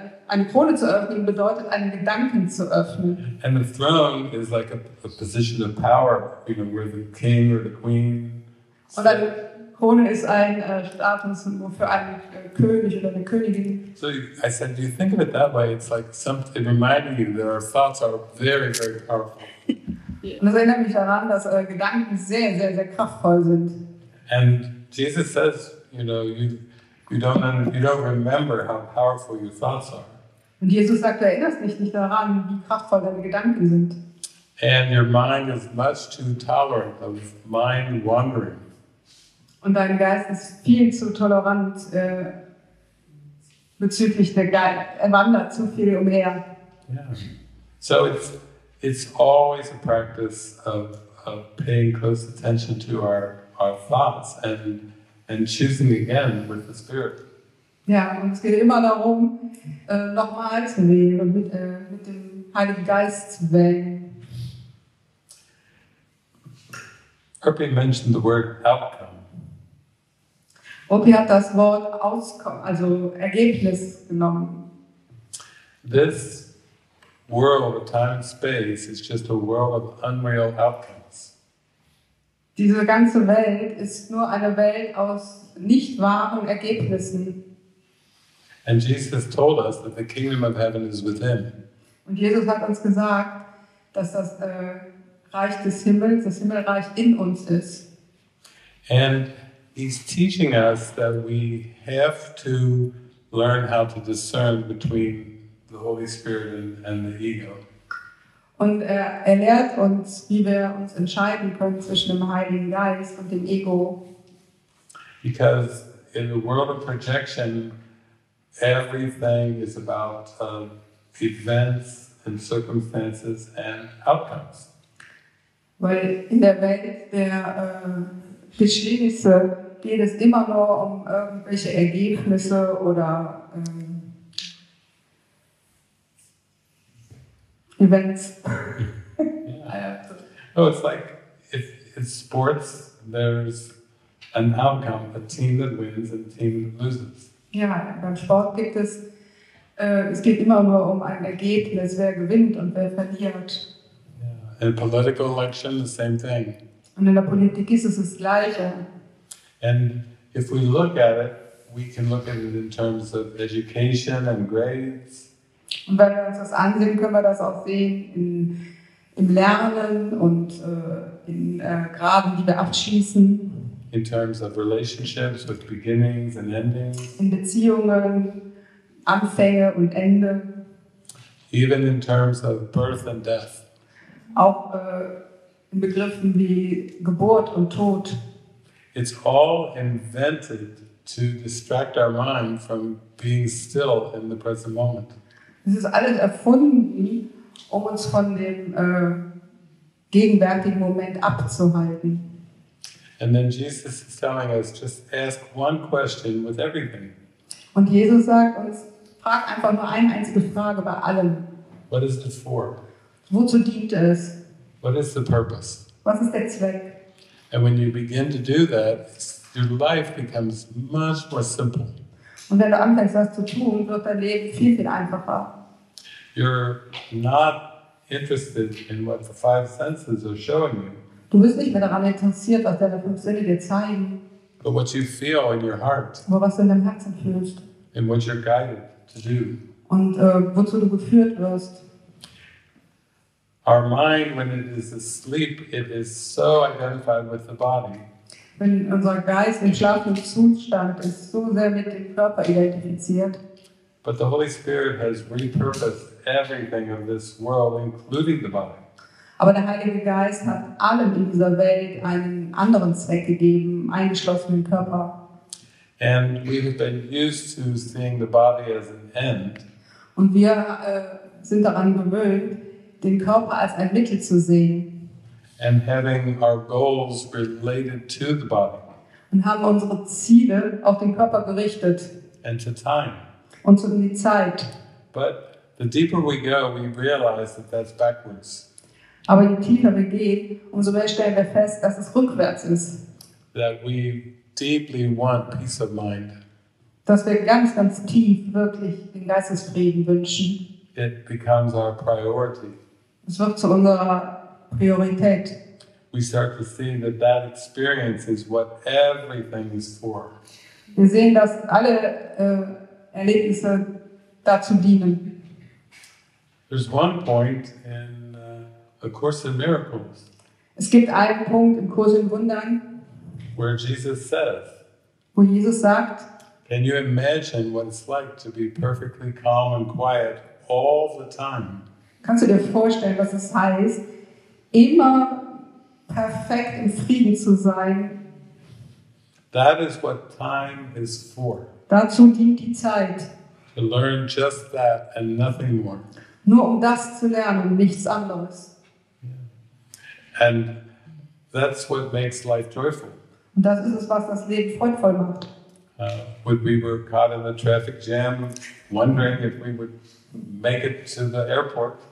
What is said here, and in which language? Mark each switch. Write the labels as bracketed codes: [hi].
[de] Eine Krone zu öffnen bedeutet, einen Gedanken zu öffnen. [en] And the throne is like a position of power, you know, where the king or the queen. [de] Und eine Krone ist ein Statussymbol für einen König oder eine Königin. [en] So I said, do you think of it that way? It's like something reminding you that our thoughts are very, very powerful. [de] Und das erinnert mich daran, dass eure Gedanken sehr, sehr, sehr kraftvoll sind. [en] And Jesus says, you know, you don't remember how powerful your thoughts are. [de] Und Jesus sagt, erinnerst dich nicht daran, wie kraftvoll deine Gedanken sind. [en] And your mind is much too tolerant of mind wandering. [de] Und dein Geist ist viel zu tolerant bezüglich der Geist. Er wandert zu viel umher. [en] Yeah. So it's always a practice of paying close attention to our thoughts and choosing again with the spirit. [de] Ja, und es geht immer darum, nochmal zu wählen und mit dem Heiligen Geist zu wählen. [en] Opie mentioned the word outcome. [de] Opie hat das Wort Auskommen, also Ergebnis genommen. [en] This world of time and space is just a world of unreal outcome. [de] Diese ganze Welt ist nur eine Welt aus nicht wahren Ergebnissen. [en] And Jesus told us that the kingdom of heaven is within. [de] Und Jesus hat uns gesagt, dass das Reich des Himmels, das Himmelreich in uns ist. [en] And he's teaching us that we have to learn how to discern between the Holy Spirit and the ego. [de] Und er lehrt uns, wie wir uns entscheiden können zwischen dem Heiligen Geist und dem Ego. [en] Because in the world of projection, everything is about events and circumstances and outcomes. [de] Weil in der Welt der Geschehnisse geht es immer nur um irgendwelche Ergebnisse oder events. [en] Yeah. Oh, it's like if it's sports, there's an outcome, a team that wins and a team that loses. [de] Yeah, beim Sport gibt es, es geht immer nur um ein Ergebnis, wer gewinnt und wer verliert. [en] Yeah. In a political election, the same thing. [de] Und in der Politik ist es das Gleiche. [en] And if we look at it, we can look at it in terms of education and grades. [de] Und wenn wir uns das ansehen, können wir das auch sehen im Lernen und in Graden, die wir abschließen. [en] In terms of relationships with beginnings and endings. [de] In Beziehungen, Anfänge und Ende. [en] Even in terms of birth and death. [de] Auch in Begriffen wie Geburt und Tod. [en] It's all invented to distract our mind from being still in the present moment. [de] Es ist alles erfunden, um uns von dem gegenwärtigen Moment abzuhalten. [en] And then Jesus is telling us, just ask one question with everything. [de] Und Jesus sagt uns, frag einfach nur eine einzige Frage bei allem. [en] What is it for? [de] Wozu dient es? [en] What is the purpose? [de] Was ist der Zweck? [en] And when you begin to do that, your life becomes much more simple. [de] Und wenn du anfängst, das zu tun, wird dein Leben viel, viel einfacher. [en] You're not interested in what the five senses are showing you. [de] Du bist nicht mehr daran interessiert, was deine fünf Sinne dir zeigen. [en] But what you feel in your heart. [de] Aber was du in deinem Herzen fühlst. [en] And what you're guided to do. [de] Und wozu du geführt wirst. [en] Our mind, when it is asleep, it is so identified with the body. [de] Wenn unser Geist im schlafenden Zustand ist, so sehr mit dem Körper identifiziert. [en] But the Holy Spirit has repurposed everything of this world, including the body. [de] Aber der Heilige Geist hat allem in dieser Welt einen anderen Zweck gegeben, eingeschlossen im Körper. [en] And we have been used to seeing the body as an end. [de] Und wir sind daran gewöhnt, den Körper als ein Mittel zu sehen. [en] And having our goals related to the body. [de] Und haben unsere Ziele auf den Körper gerichtet. [en] And to time. [de] Und zu der Zeit. [en] But the deeper we go, we realize that that's backwards. [de] Aber je tiefer wir gehen, umso mehr stellen wir fest, dass es rückwärts ist. [en] That we deeply want peace of mind. [de] Dass wir ganz, ganz tief wirklich den Geistesfrieden wünschen. [en] It becomes our priority. [de] Es wird zu unserer Priorität. [en] We start to see that that experience is what everything is for. [de] Wir sehen, dass alle Erlebnisse dazu dienen. [en] There's one point in A Course in Miracles. [de] Es gibt einen Punkt im Kurs in Wundern, [en] where Jesus says, [de] wo Jesus sagt, [en] can you imagine what it's like to be perfectly calm and quiet all the time? [de] Kannst du dir vorstellen, was es heißt, immer perfekt im Frieden zu sein? [en] That is what time is for. [de] Dazu dient die Zeit. [en] To learn just that and nothing more. [de] Nur um das zu lernen, nichts anderes. [en] And that's what makes life joyful. [de] Und das ist es, was das Leben freudvoll macht. [en] When we were caught in a traffic jam, wondering if we would make it to the airport.